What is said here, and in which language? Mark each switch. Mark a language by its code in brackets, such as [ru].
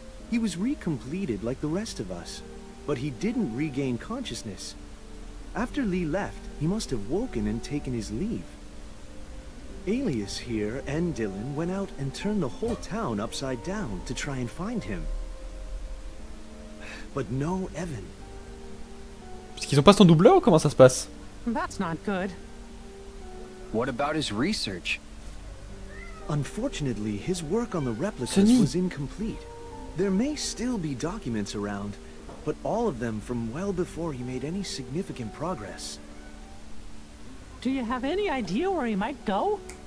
[en] He was recompleted like the rest of us, but he didn't regain consciousness. After Lee left, he must have woken and taken his leave. Alias here and Dylan went out and turned the whole town upside down to try and find him. But no Evan. [fr] Parce qu'ils ont pas son doubleur ou comment ça se passe? [en] That's not good. What about his research? Unfortunately, his work on the replicas was incomplete. There may still be documents around, but all of them from well before he made any significant progress. Do you have any idea where he might go?